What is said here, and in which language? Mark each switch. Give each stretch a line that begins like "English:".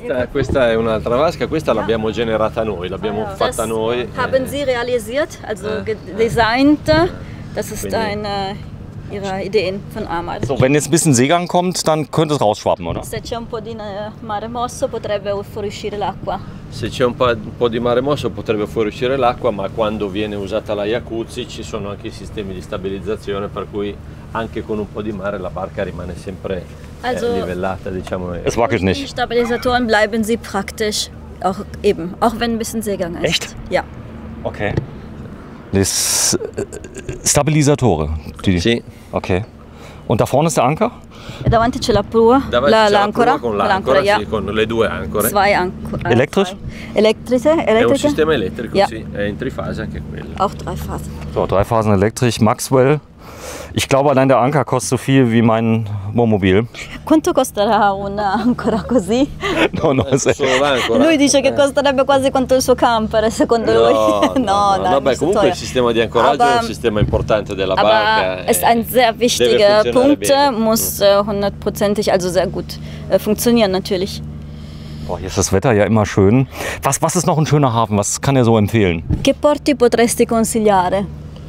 Italian: Questa è un'altra vasca, questa l'abbiamo generata noi, l'abbiamo fatta noi.
German: Haben Sie realisiert, also designt, das ist eine Ihre Ideen von Amar. So, wenn jetzt ein bisschen Seegang kommt, dann könnte es rausschwappen, oder?
Italian: Se c'è un po' di mare mosso, potrebbe fuoriuscire l'acqua. Se c'è un po' di mare mosso, potrebbe fuoriuscire l'acqua, ma quando viene usata la jacuzzi, ci sono anche i sistemi di stabilizzazione, per cui anche con un po' di mare la barca rimane sempre livellata, diciamo.
German: Es wackelt nicht. Die Stabilisatoren bleiben sie praktisch, auch eben, auch wenn ein bisschen Seegang ist. Echt? Ja. Okay. Das Stabilisatore.
Italian: Die. Sì.
German: Okay. Und da vorne ist der Anker?
Italian: E davanti c'è la prua, l'ancora. L'ancora, sì, con le due ancore.
German: Zwei Ancore. Elektrisch? Elektrische, elettrica.
Italian: È un sistema elettrico,
German: ja.
Italian: Sì. È in trifase anche quello.
German: Auch drei Phasen. So, drei Phasen elektrisch, Maxwell. Ich glaube, allein der Anker kostet so viel wie mein Wohnmobil.
Italian: Quanto costerà un ancora così? No, no, lui dice che costerebbe quasi quanto il suo camper, secondo no, lui. No, no, no, no. Vabbè, comunque il sistema di ancoraggio è un sistema importante della barca.
German: Es ist ein sehr wichtiger Punkt, muss hundertprozentig, also sehr gut funktionieren natürlich. Boah, hier ist das Wetter ja immer schön. Was ist noch ein schöner Hafen? Was kann er so empfehlen?
Italian: Che porti potresti consigliare?